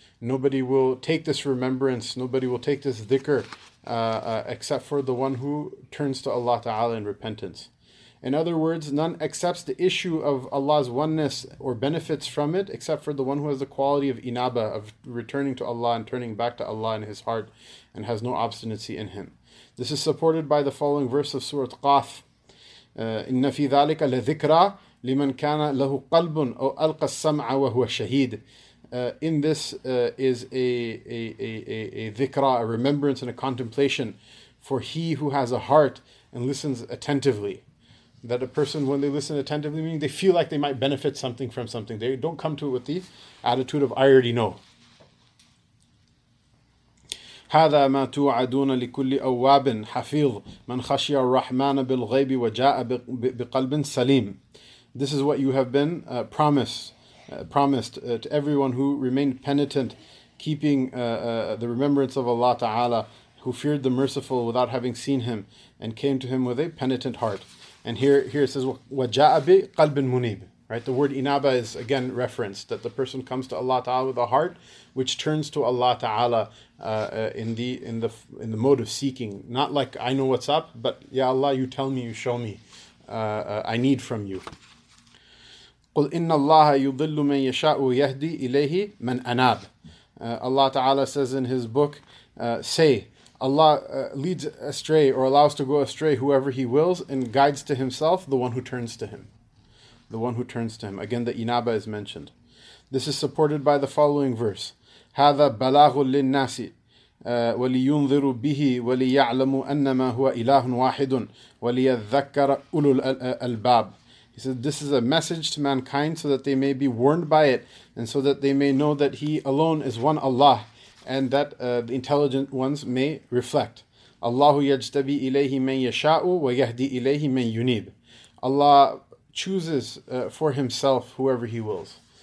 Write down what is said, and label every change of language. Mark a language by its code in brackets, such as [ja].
[en] Nobody will take this remembrance, nobody will take this dhikr, except for the one who turns to Allah Ta'ala in repentance. In other words, none accepts the issue of Allah's oneness or benefits from it, except for the one who has the quality of inaba, of returning to Allah and turning back to Allah in his heart, and has no obstinacy in him. This is supported by the following verse of Surah Qaf: [ar] إِنَّ فِي ذَلِكَ لَذِكْرَى لِمَنْ كَانَ لَهُ قَلْبٌ أَوْ أَلْقَ السَّمْعَ وَهُوَ شَهِيدٌ. [en] In this is a dhikra, a remembrance and a contemplation for he who has a heart and listens attentively. That a person, when they listen attentively, meaning they feel like they might benefit something from something. They don't come to it with the attitude of, I already know. [ar] هَذَا مَا تُوَعَدُونَ لِكُلِّ أَوَّابٍ حَفِيظٍ مَنْ خَشِيَ الرَّحْمَنَ بِالْغَيْبِ وَجَاءَ بِقَلْبٍ سَلِيمٍ. [en] This is what you have been promised to everyone who remained penitent, keeping the remembrance of Allah Ta'ala, who feared the merciful without having seen him, and came to him with a penitent heart. And here it says, [ar] وَجَاءَ بِقَلْبٍ مُنِيبٍ. [en] Right, the word inaba is again referenced, that the person comes to Allah Ta'ala with a heart which turns to Allah Ta'ala in the mode of seeking. Not like, I know what's up, but Ya Allah, you tell me, you show me, I need from you. [ar] قُلْ إِنَّ اللَّهَ يُضِلُّ مَنْ يَشَاءُ وَيَهْدِي إِلَيْهِ مَنْ أَنَابُ. [en] Allah Ta'ala says in his book, say, Allah leads astray or allows to go astray whoever He wills and guides to Himself the one who turns to Him. The one who turns to Him. Again, the inaba is mentioned. This is supported by the following verse. [ar] هذا بلاغ للناس ولينذروا به وليعلموا أنما هو إله واحد وليذكر أولو الألباب. [en] He said, this is a message to mankind so that they may be warned by it and so that they may know that He alone is one Allah and that the intelligent ones may reflect. [ar] Allahu yajtabi ilayhi man yasha'u wa yahdi ilayhi man yunib. [en] Allah chooses for Himself whoever He wills.